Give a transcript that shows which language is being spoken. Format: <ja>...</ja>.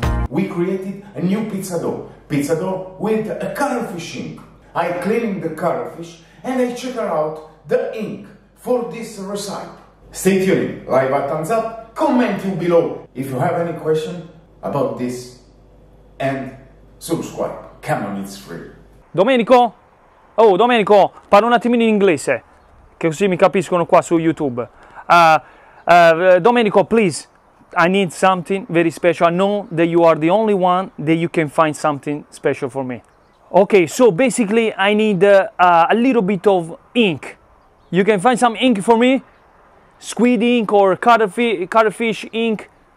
<en>We created a new pizza dough with a cuttlefish ink. I cleaned the cuttlefish and I checked out the ink for this recipe. Stay tuned, like a thumbs up, comment below if you have any question about this, and subscribe. Come on, it's free. Domenico?</en> <it>Oh, Domenico, parla un attimino in inglese, che così mi capiscono qua su YouTube.</it> <en>Domenico, please. I need something very special. I know that you are the only one that you can find something special for me. Okay, so basically I need a little bit of ink. You can find some ink for me? Squid ink or cuttlefish ink?</en>